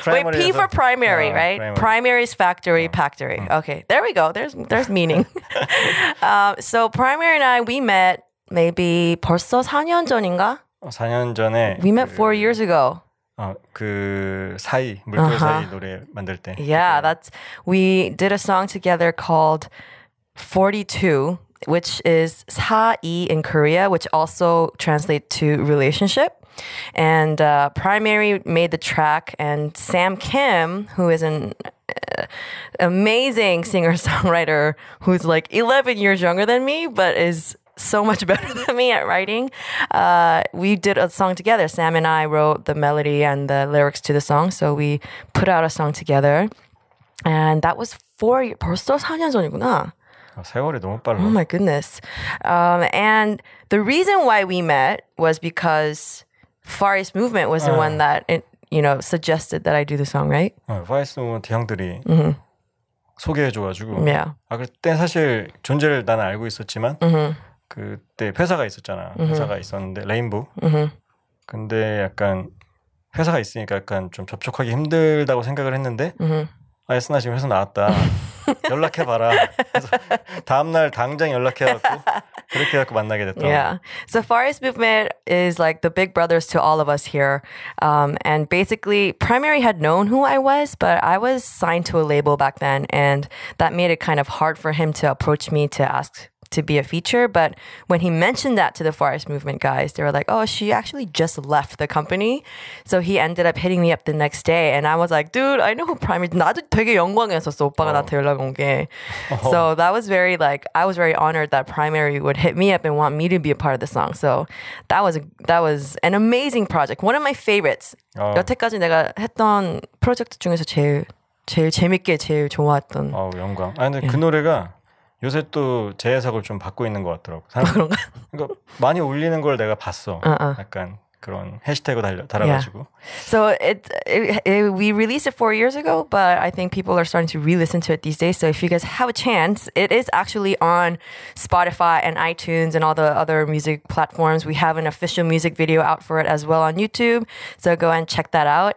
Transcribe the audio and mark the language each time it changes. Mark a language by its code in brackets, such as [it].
[en] wait, P for primary, right? Primary's factory, factory. Okay, there we go. There's meaning. So Primary and I, we met maybe [ko] 벌써 4년 전인가? 4년 전에. [en] We met 4 years ago. [ko] 그 사이 물결 사이 노래 만들 때. [en] Yeah, that's we did a song together called 42. Which is 사이 in Korea, which also translates to relationship. And Primary made the track, and Sam Kim, who is an amazing singer-songwriter, who's like 11 years younger than me, but is so much better than me at writing, we did a song together. Sam and I wrote the melody and the lyrics to the song, so we put out a song together. And that was [ko] 벌써 4년 전이구나. 세월이 너무 빨라. [en] Oh my goodness. And the reason why we met was because Far East Movement was the one that it, you know, suggested that I do the song, right? [ko] Far East Movement 형들이 소개해 줘 가지고. [en] Yeah. [ko] 아 그때 사실 존재를 나는 알고 있었지만 그때 회사가 있었잖아. 회사가 있었는데 레인보우. 근데 약간 회사가 있으니까 약간 좀 접촉하기 힘들다고 생각을 했는데 아 에스나 지금 회사 나왔다. 연락해봐라. 다음 날 당장 연락해갖고 그렇게 해갖고 만나게 됐다. [en] Yeah. So Far East Movement is like the big brothers to all of us here. And basically, Primary had known who I was, but I was signed to a label back then, and that made it kind of hard for him to approach me to ask to be a feature. But when he mentioned that to the Far East Movement guys, they were like, oh, she actually just left the company. So he ended up hitting me up the next day. And I was like, dude, I know who Primary is. [ko] 나도 되게 영광했었어, 오빠가 나한테 연락 온 게. [en] So that was very like, I was very honored that Primary would hit me up and want me to be a part of the song. So that was an amazing project. One of my favorites. [ko] 여태까지 내가 했던 프로젝트 중에서 제일 재밌게 제일 좋아했던. 영광. 아니, 근데 그 노래가 요새 또 재해석을 좀 받고 있는 것 같더라고. 그런가? 그러니까 많이 울리는 걸 내가 봤어. 약간 그런 해시태그 달아가지고. [en] Yeah. So we released it 4 years ago, but I think people are starting to re-listen to it these days. So if you guys have a chance, it is actually on Spotify and iTunes and all the other music platforms. We have an official music video out for it as well on YouTube. So go and check that out.